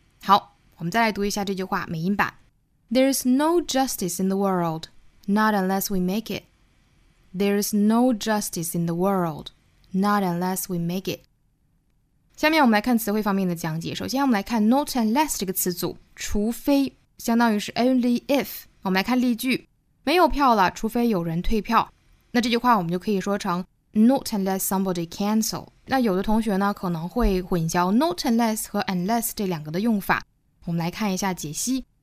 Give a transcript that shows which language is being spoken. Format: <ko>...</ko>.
<zh>好，我们再来读一下这句话美音版。</zh> <en>There's no justice in the world, not unless we make it. There's no justice in the world, not unless we make it.</en> <zh>下面我们来看词汇方面的讲解。首先我们来看 not unless 这个词组，除非相当于是 only if。我们来看例句，没有票了除非有人退票，那这句话我们就可以说成</zh> <en>not unless somebody cancel。</en> <zh>那有的同学呢可能会混淆 not unless 和 unless 这两个的用法，我们来看一下解析。</zh>